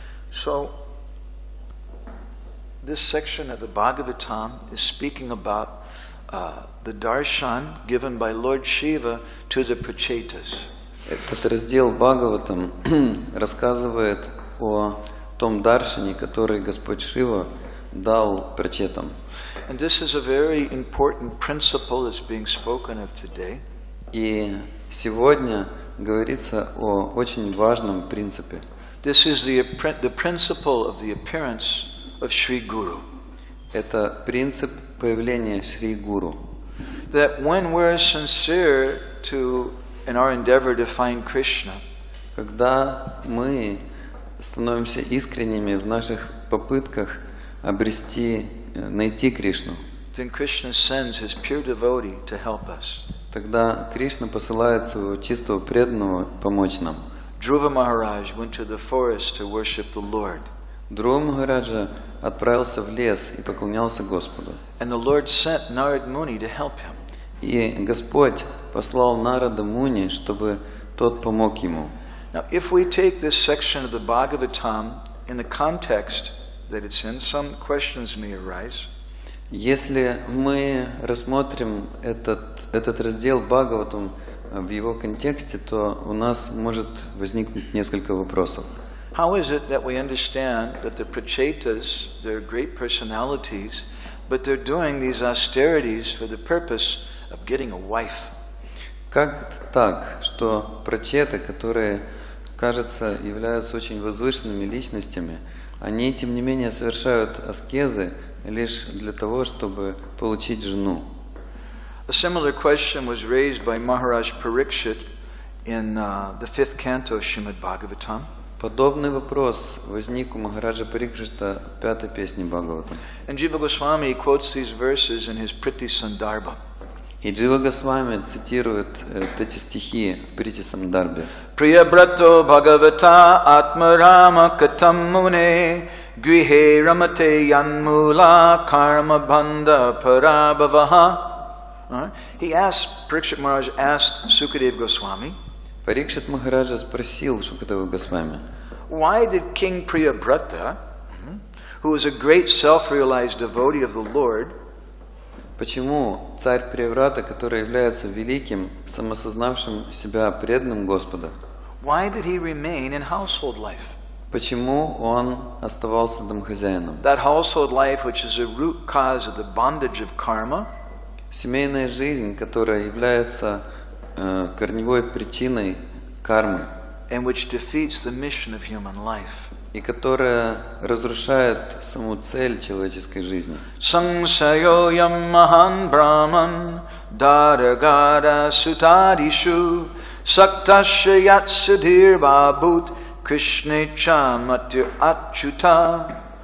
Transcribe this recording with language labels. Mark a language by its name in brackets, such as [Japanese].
[English] So this section of the Bhagavatam is speaking about the darshan given by Lord Shiva to the prachetas. [Russian] Этот раздел Бхагаватам рассказывает о том даршане, который Господь Шива дал прачетам. [English] And this is a very important principle that's being spoken of today. [Russian] И сегодня говорится о очень важном принципе. [English] This is the principle of the appearance of Shri Guru. [Russian] Это принцип появления Шри Гуру. [English] That when we're sincere to in our endeavor to find Krishna, [Russian] когда мы становимся искренними в наших попытках обрести, найти Кришну, [English] then Krishna sends his pure devotee to help us. [Russian] Тогда Кришна посылает своего чистого преданного помочь нам. [English] Dhruva Maharaj went to the forest to worship the Lord. [Russian] Dhruva Maharaja отправился в лес и поклонялся Господу. [English] And the Lord sent Narad Muni to help him. [Russian] И Господь послал Нарада Муни, чтобы тот помог ему. [English] Now, if we take this section of the Bhagavatam in the context that it's in, some questions may arise. [Russian] Если мы рассмотрим этот раздел Бхагаватам в его контексте, то у нас может возникнуть несколько вопросов. [English] How is it that we understand that the prachetas, they're great personalities, but they're doing these austerities for the purpose of getting a wife? [Russian] Как так, что прачеты, которые, кажется, являются очень возвышенными личностями, они, тем не менее, совершают аскезы лишь для того, чтобы получить жену? [English] A similar question was raised by Maharaj Parikshit in the fifth canto of Srimad Bhagavatam. [Russian] Подобный вопрос возник у Махараджа Парикшита в пятой песне Бхагаватам. [English] And Jiva Goswami quotes these verses in his Priti Sandarbha. [Russian] И Джива Госвами цитирует эти стихи в Прити Сандарбе. [Sanskrit] Priya Brato Bhagavata Atmarama Katamune Grihe Ramate Yanmula Karma Bhanda Parabhavaha. [English] He asked, Parikshit Maharaj asked Sukadev Goswami, [Russian] Парикшит Махараджа спросил Шукадева Госвами, [English] why did King Priyabrata, who was a great self-realized devotee of the Lord, [Russian] почему царь Приврата, который является великим, самосознавшим себя преданным Господа, [English] why did he remain in household life? [Russian] Почему он оставался домохозяином? [English] That household life, which is a root cause of the bondage of karma, [Russian] семейная жизнь, которая является корневой причиной кармы, [English] and which defeats the mission of human life, [Russian] и которая разрушает саму цель человеческой жизни. [Sanskrit] Саңсайойам махан браман дарагара сутаришу сакташа ятсидир бабут кришне ча матю ачута.